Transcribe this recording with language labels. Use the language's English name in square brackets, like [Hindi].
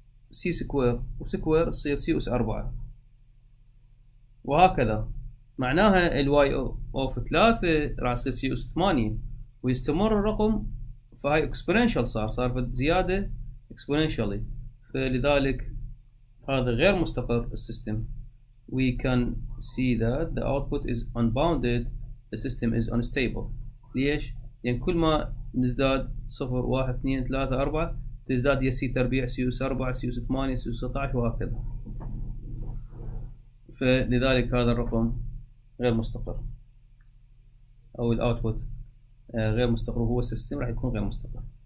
[Arabic] سي سكوير، وسكوير يصير سي أس 4 وهكذا. معناها الواي اوف 3 راح يصير سي أس 8 ويستمر الرقم، فهي اكسبوننشال صار في زيادة اكسبوننشالي، فلذلك هذا غير مستقر السيستم. [English] We can see that the output is unbounded, the system is unstable. [Arabic] ليش؟ لأن يعني كل ما نزداد 0 1 2 3 4 تزداد يسي تربيع سي أس 4 سي أس 8 سي أس 16 وهكذا، فلذلك هذا الرقم غير مستقر أو الأوتبوت غير مستقر، هو السيستم راح يكون غير مستقر.